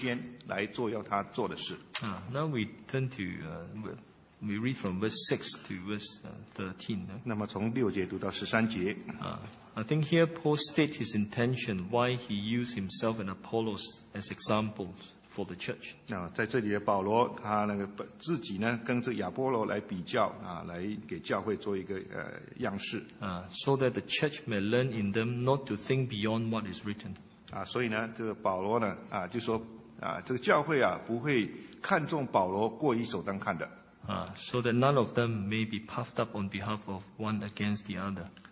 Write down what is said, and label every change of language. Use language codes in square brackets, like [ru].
[zh] 但是呢，我们要让神有足够的空间来做要他做的事。 [en] Now we turn to we read from verse 6 to verse 13. [zh] 那么从六节读到十三节。 [en] I think here Paul states his intention why he used himself and Apollos as examples for the church. [zh] 在这里的保罗，他自己呢跟这亚波罗来比较，来给教会做一个样式。 [en] So that the church may learn in them not to think beyond what is written. [zh] 所以呢，这个保罗呢，就说这个教会不会看重保罗过于首当看的。 [en] So that none of them may be puffed up on behalf of one against the other.